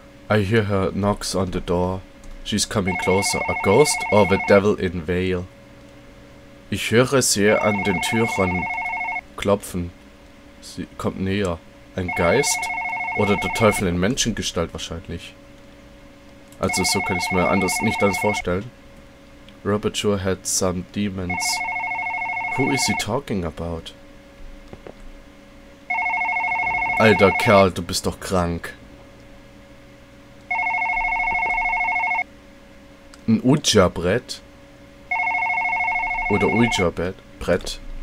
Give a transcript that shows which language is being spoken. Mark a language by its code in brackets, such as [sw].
[en] I hear her knocks on the door. She's coming closer. A ghost or the devil in veil? [de] Ich höre sie an den Türen klopfen. Sie kommt näher. Ein Geist? Oder der Teufel in Menschengestalt wahrscheinlich? Also so kann ich es mir anders nicht anders vorstellen. [en] Robert sure had some demons. Who is he talking about? [de] Alter Kerl, du bist doch krank. Ein Ouija-Brett? Oder Ouija-Brett?